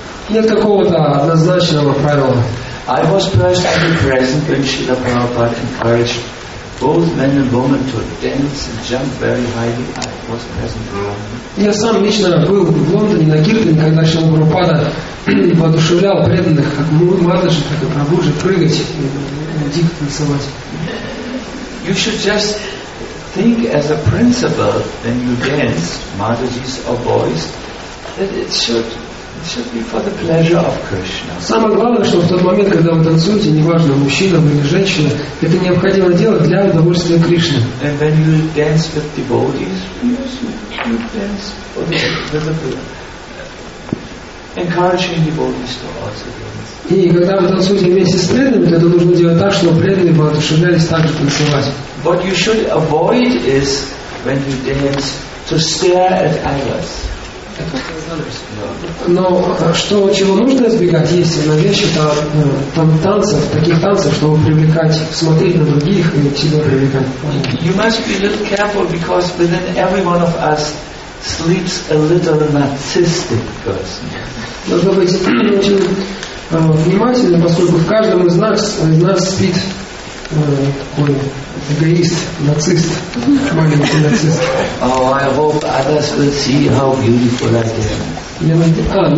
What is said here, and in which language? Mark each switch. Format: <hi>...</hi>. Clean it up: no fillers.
<ru>Нет какого-то однозначного правила.</ru> <en>I was personally present when Srila Prabhupada encouraged both men and women to dance and jump very highly. I was present around.</en> <ru>Я сам лично был в Лондоне на киртане, когда Шрила Прабхупада воодушевлял преданных, как матаджи, так и прабхуджи, прыгать и дико танцевать.</ru> <en>You should just think as a principle when you dance, Matajis or boys, that it should be for the pleasure of Krishna.</en> <ru>Самое главное, что в тот момент, когда вы танцуете, неважно мужчина или женщина, это необходимо делать для удовольствия Кришны.</ru> <en>And when you dance with devotees, you dance for the visible. Encouraging devotees to also dance.</en> <ru>И когда вы танцуете вместе с преданными, то это нужно делать так, чтобы преданные воодушевлялись также танцевать.</ru> <en>What you should avoid is when you dance to stare at others.</en> <ru>Но что чего нужно избегать, если на вещи там танцев, таких танцев, чтобы привлекать, смотреть на других и себя привлекать.</ru> <en>You must be a little careful because within every one of us sleeps a little narcissistic person.</en> <ru>Нужно быть очень внимательным, поскольку в каждом из нас спит такой эгоист, нацист, маленький нацист.</ru> <en>Oh, I hope others will see how beautiful I am.</en>